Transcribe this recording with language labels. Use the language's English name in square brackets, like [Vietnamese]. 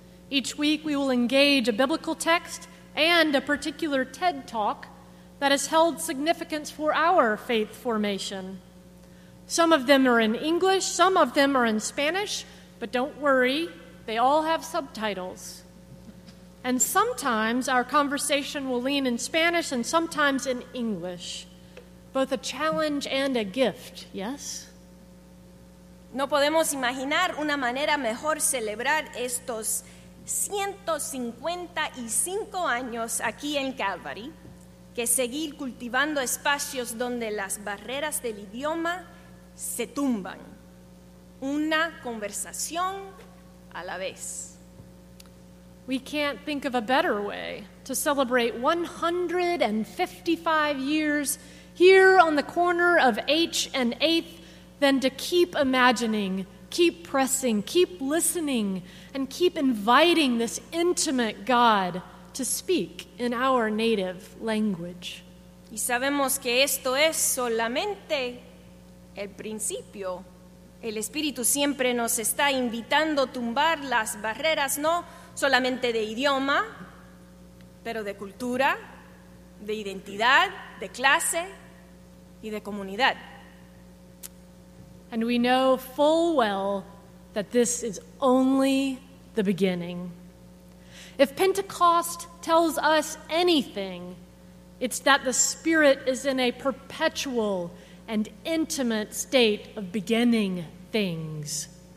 [English] Each week, we will engage a biblical text and a particular TED Talk that has held significance for our faith formation. Some of them are in English, some of them are in Spanish, but don't worry, they all have subtitles. And sometimes our conversation will lean in Spanish and sometimes in English. Both a challenge and a gift, yes? [Spanish] No podemos imaginar una manera mejor celebrar estos 155 años aquí en Calvary que seguir cultivando espacios donde las barreras del idioma se tumban. Una conversación a la vez. [English] We can't think of a better way to celebrate 155 years here on the corner of H and 8th than to keep imagining, keep pressing, keep listening, and keep inviting this intimate God to speak in our native language. [Spanish] Y sabemos que esto es solamente el principio. El Espíritu siempre nos está invitando a tumbar las barreras, ¿no? Solamente de idioma, pero de cultura, de identidad, de clase y de comunidad. [English] And we know full well that this is only the beginning. If Pentecost tells us anything, it's that the Spirit is in a perpetual and intimate state of beginning things.